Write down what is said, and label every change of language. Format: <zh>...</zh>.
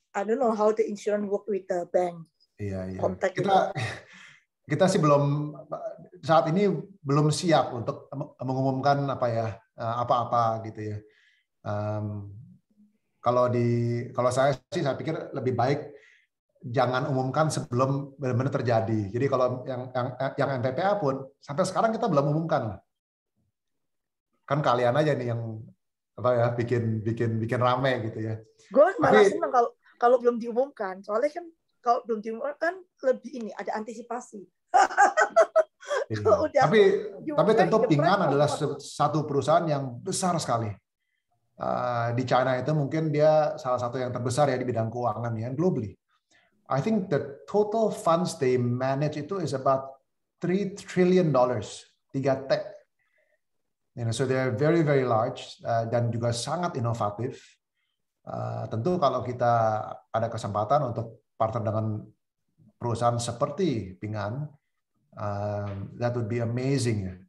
<en>I don't know how the insurance work with the bank.</en> <id>Iya iya. Contact kita sih belum, saat ini belum siap untuk mengumumkan apa ya apa-apa gitu ya. Kalau saya sih saya pikir lebih baik jangan umumkan sebelum benar-benar terjadi. Jadi kalau yang NPPA pun sampai sekarang kita belum umumkan. Kan kalian aja nih yang apa ya bikin rame gitu ya. Gue malah seneng kalau belum diumumkan. Soalnya kan kalau belum diumumkan lebih ini ada antisipasi. Iya. Tapi tentu Ping An adalah satu perusahaan yang besar sekali. Di China itu mungkin dia salah satu yang terbesar ya di bidang keuangan ya globally.</id> <en>I think the total funds they manage itu is about $3 trillion, 3 T. You know, so they're very very large</en> <id>dan juga sangat inovatif. Tentu kalau kita ada kesempatan untuk partner dengan perusahaan seperti Ping An,</id> <en>that would be amazing.</en>